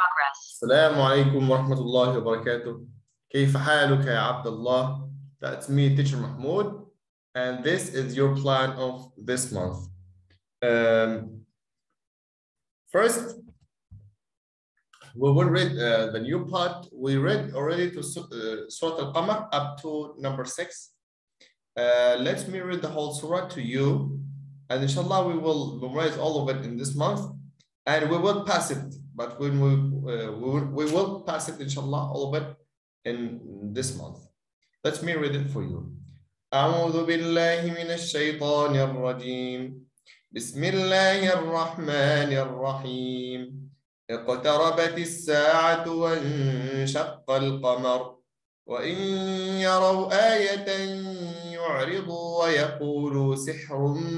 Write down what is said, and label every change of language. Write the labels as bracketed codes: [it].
[ar] السلام عليكم ورحمة الله وبركاته. كيف حالك يا عبد الله؟ [en] That's me, teacher Mahmoud. And this is your plan of this month. First, we will read the new part. We read already to Surah Al-Qamar up to number 6. Let me read the whole surah to you. And inshallah, we will memorize all of it in this month. And we will pass it. But when we will pass it, inshallah, all of it in this month. Let me read it for you. [ar] أعوذ بالله من الشيطان الرجيم بسم الله الرحمن الرحيم اقتربت الساعة وانشق القمر وإن يروا آية يعرضوا ويقولوا سحر